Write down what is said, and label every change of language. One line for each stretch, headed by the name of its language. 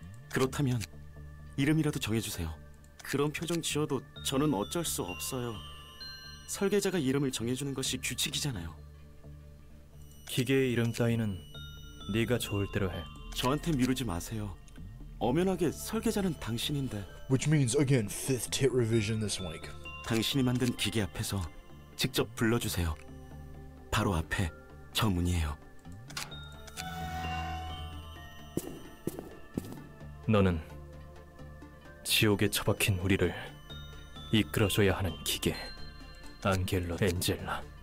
Korean: 그렇다면 이름이라도 정해주세요. 그런 표정 지어도 저는 어쩔 수 없어요. 설계자가 이름을 정해주는 것이 규칙이잖아요. 기계의 이름 따위는 네가 좋을 대로 해. 저한테 미루지 마세요. 엄연하게 설계자는 당신인데.
English: Which means again fifth tip revision this week.
Korean: 당신이 만든 기계 앞에서 직접 불러주세요. 바로 앞에 저 문이에요. 너는 지옥에 처박힌 우리를 이끌어줘야 하는 기계, 안겔로 엔젤라.